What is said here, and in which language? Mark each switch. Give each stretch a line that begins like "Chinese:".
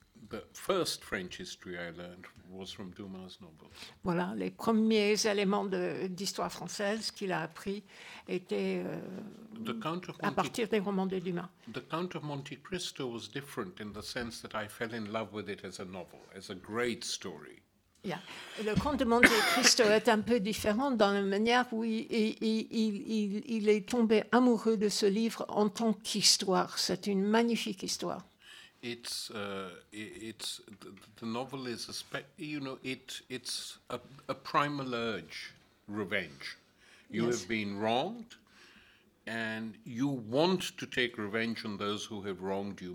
English: The first French history I learned was from Dumas' novels.
French: Voilà, les premiers éléments d'histoire française qu'il a appris étaient à partir des romans de Dumas.
English: The Count of Monte Cristo was different in the sense that I fell in love with it as a novel, as a great story. Yeah.
French: Le Comte de Monte Cristo est un peu différent dans la manière où il est tombé amoureux de ce livre en tant qu'histoire. C'est une magnifique histoire.
English: It's the novel is a primal urge, revenge. You yes. have been wronged, and you want to take revenge on those who have wronged you.